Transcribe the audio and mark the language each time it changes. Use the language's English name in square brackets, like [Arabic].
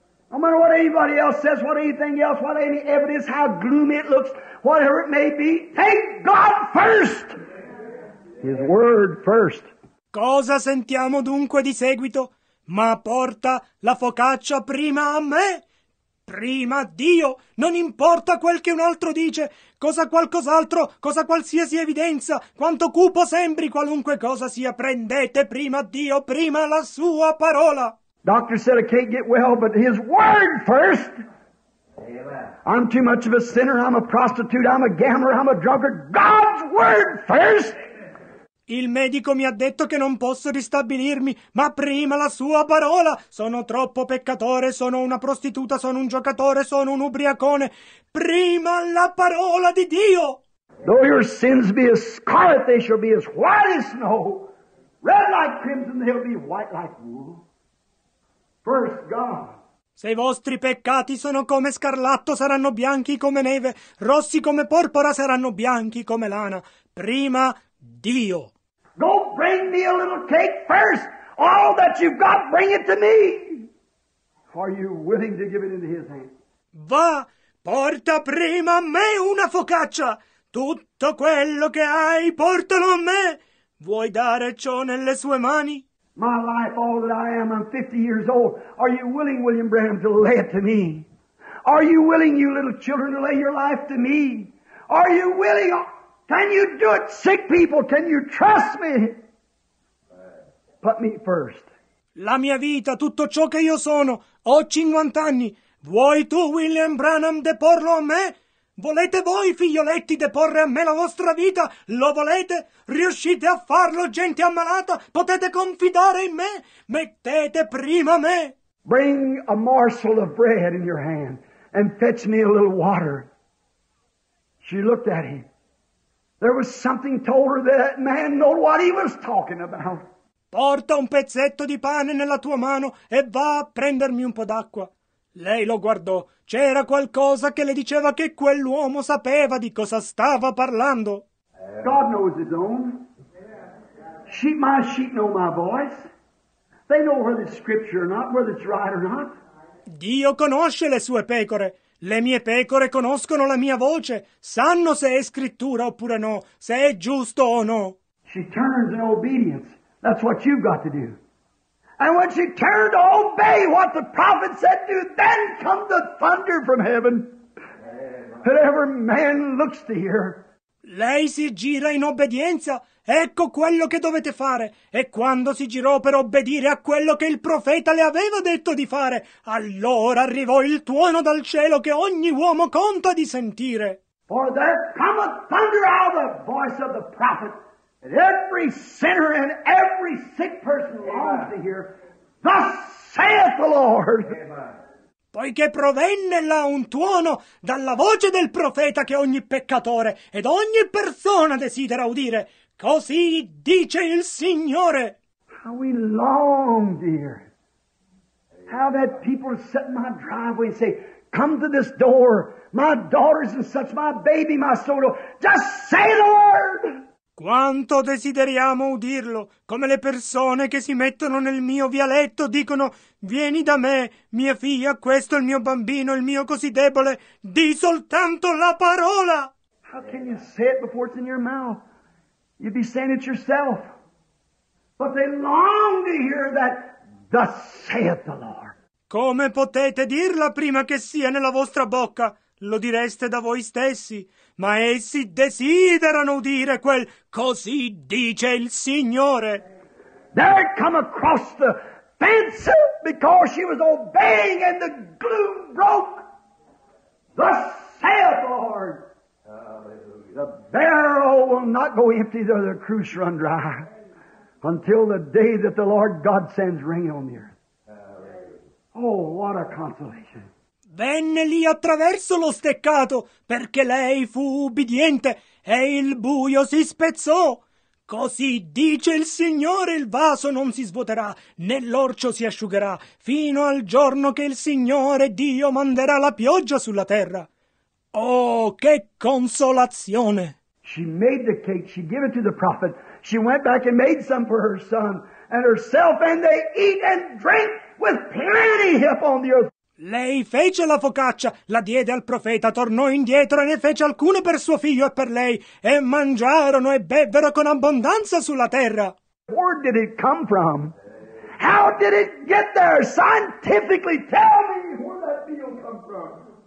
[English] No matter what anybody else says, what anything else, what any evidence, how gloomy it looks, whatever it may be, take God first! His word first. [Italian] Cosa sentiamo dunque di seguito? Ma porta la focaccia prima a me! Prima Dio! Non importa quel che un altro dice, cosa qualcos'altro, cosa qualsiasi evidenza, quanto cupo sembri, qualunque cosa sia, prendete prima Dio, prima la sua parola! [English] Doctor said I can't get well, but his word first. Amen. I'm too much of a sinner, I'm a prostitute, I'm a gambler, I'm a drunkard. God's word first. [Italian] Il medico mi ha detto che non posso ristabilirmi, ma prima la sua parola. Sono troppo peccatore, sono una prostituta, sono un giocatore, sono un ubriacone. Prima la parola di Dio. [English] Though your sins be as scarlet, they shall be as white as snow. Red like crimson, they'll be white like wool. First God. [Italian] Se i vostri peccati sono come scarlatto, saranno bianchi come neve, rossi come porpora, saranno bianchi come lana. Prima Dio. [English] Go bring me a little cake first. All that you've got, bring it to me. Are you willing to give it into his hand? [Italian] Va, porta prima a me una focaccia. Tutto quello che hai, portalo a me. Vuoi dare ciò nelle sue mani? [English] My life, all that I am, I'm 50 years old. Are you willing, William Branham, to lay it to me? Are you willing, you little children, to lay your life to me? Are you willing? Can you do it, sick people? Can you trust me? Put me first. [Italian] La mia vita, tutto ciò che io sono, ho 50 anni. Vuoi tu, William Branham, deporlo a me? Volete voi, figlioletti, deporre a me la vostra vita? Lo volete? Riuscite a farlo, gente ammalata? Potete confidare in me? Mettete prima me! [English] Bring a morsel of bread in your hand and fetch me a little water. She looked at him. There was something told her that man knew what he was talking about. [Italian] Porta un pezzetto di pane nella tua mano e va a prendermi un po' d'acqua. Lei lo guardò. C'era qualcosa che le diceva che quell'uomo sapeva di cosa stava parlando. [English] God knows his own. Sheep, my sheep know my voice. They know whether it's scripture or not, whether it's right or not. [Italian] Dio conosce le sue pecore. Le mie pecore conoscono la mia voce. Sanno se è scrittura oppure no, se è giusto o no. [English] She turns in obedience. That's what you've got to do. And when she turned to obey what the prophet said to, then come the thunder from heaven. That every man looks to hear. [Italian] Lei si gira in obbedienza. Ecco quello che dovete fare. E quando si girò per obbedire a quello che il profeta le aveva detto di fare, allora arrivò il tuono dal cielo che ogni uomo conta di sentire. [English] For there cometh thunder out of the voice of the prophet. Every sinner and every sick person longs to hear. Thus saith the Lord. [Italian] Poiché provenne là un tuono dalla voce del profeta che ogni peccatore ed ogni persona desidera udire. Così dice il Signore. [English] How we long, dear. How that people sit in my driveway and say, come to this door, my daughters and such, my baby, my soul, just say the word. [Italian] Quanto desideriamo udirlo, come le persone che si mettono nel mio vialetto dicono, vieni da me, mia figlia, questo è il mio bambino, il mio così debole, di soltanto la parola. [English] How can you say it before it's in your mouth? You'd be saying it yourself. But they long to hear that, thus saith the Lord. [Italian] Come potete dirla prima che sia nella vostra bocca? Lo direste da voi stessi, ma essi desiderano udire quel così dice il Signore. [English] There come across the fence because she was obeying and the gloom broke. Thus saith the Lord. The barrel will not go empty though the cruse run dry until the day that the Lord God sends rain on the earth. Oh, what a consolation. [Italian] Venne lì attraverso lo steccato, perché lei fu ubbidiente, e il buio si spezzò. Così dice il Signore, il vaso non si svuoterà, né l'orcio si asciugherà, fino al giorno che il Signore Dio manderà la pioggia sulla terra. Oh, che consolazione! [English] She made the cake, she gave it to the prophet, she went back and made some for her son, and herself, and they eat and drink with plenty upon the earth. [Italian] Lei fece la focaccia, la diede al profeta, tornò indietro e ne fece alcune per suo figlio e per lei, e mangiarono e bevvero con abbondanza sulla terra. [English] Where did it come from? How did it get there? Scientifically, tell me where that meal come from.